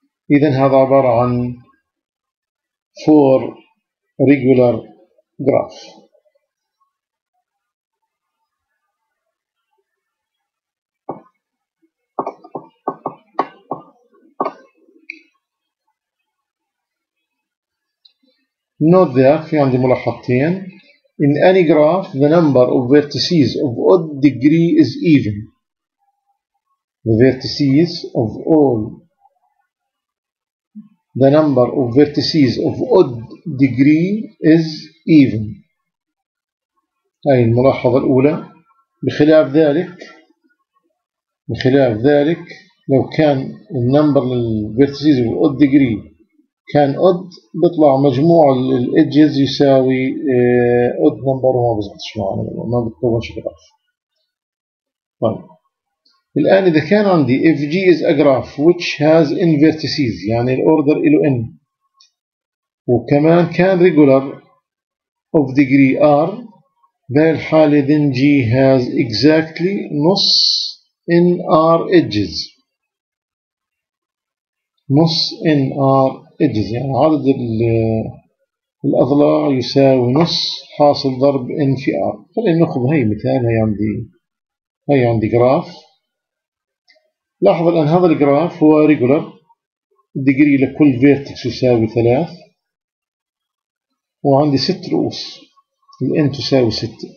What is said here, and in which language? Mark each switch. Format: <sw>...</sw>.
<ar>إذا هذا عبارة عن 4 regular graph.</ar> <en>Note that</en> <ar>في عندي ملاحظتين.</ar> <en>In any graph, the number of vertices of odd degree is even. The vertices of all. The number of vertices of odd degree is even.</en> <ar>هاي الملاحظة الأولى. بخلاف ذلك. بخلاف ذلك. لو كان</ar> <en>the number of vertices of odd degree.</en> <ar>كان odd بيطلع مجموع الـ edges يساوي</ar> <en>odd number</en> <ar>وما بزبطش معنا ما بتكونش graph. طيب الآن إذا كان عندي</ar> <en>fg is a graph which has n vertices</en> <ar>يعني الـ order إلو n وكمان كان</ar> <en>regular of degree r</en> <ar>بهي الحالة</ar> <en>then g has exactly</en> <ar>نص n r edges. نص n r edges يعني عدد الأضلاع يساوي نص حاصل ضرب n في r. خلينا نأخذ هاي مثال. هاي عندي جراف. لاحظ الآن هذا الجراف هو regular. الديجري لكل vertex يساوي 3 وعندي 6 رؤوس. ال n تساوي 6.</ar>